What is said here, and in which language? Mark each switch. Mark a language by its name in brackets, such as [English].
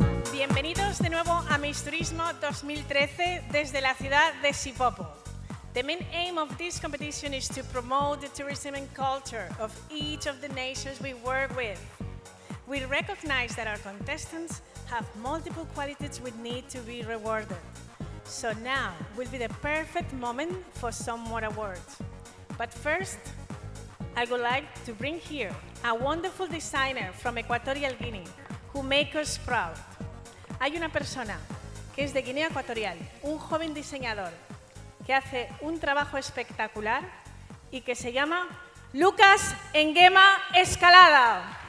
[Spanish] Bienvenidos de nuevo a Miss Turismo 2013 desde la ciudad de Sipopo. [English] The main aim of this competition is to promote the tourism and culture of each of the nations we work with. We recognize that our contestants have multiple qualities we need to be rewarded. So now will be the perfect moment for some more awards. But first, I would like to bring here a wonderful designer from Equatorial Guinea who makes us proud. [Spanish] Hay una persona que es de Guinea Ecuatorial, un joven diseñador que hace un trabajo espectacular y que se llama Lucas Engema Escalada.